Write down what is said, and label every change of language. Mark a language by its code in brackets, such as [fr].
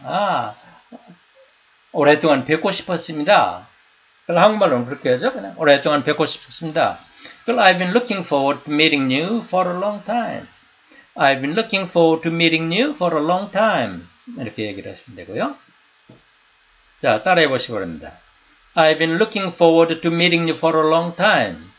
[ko] 아 오랫동안 뵙고 싶었습니다. 그걸 한국말로는 그렇게 하죠. 그냥 오랫동안 뵙고 싶었습니다. 그걸 [en] I've been looking forward to meeting you for a long time. I've been looking forward to meeting you for a long time. [ko] 이렇게 얘기를 하시면 되고요. 자, 따라해 보시기 바랍니다. [en] I've been looking forward to meeting you for a long time.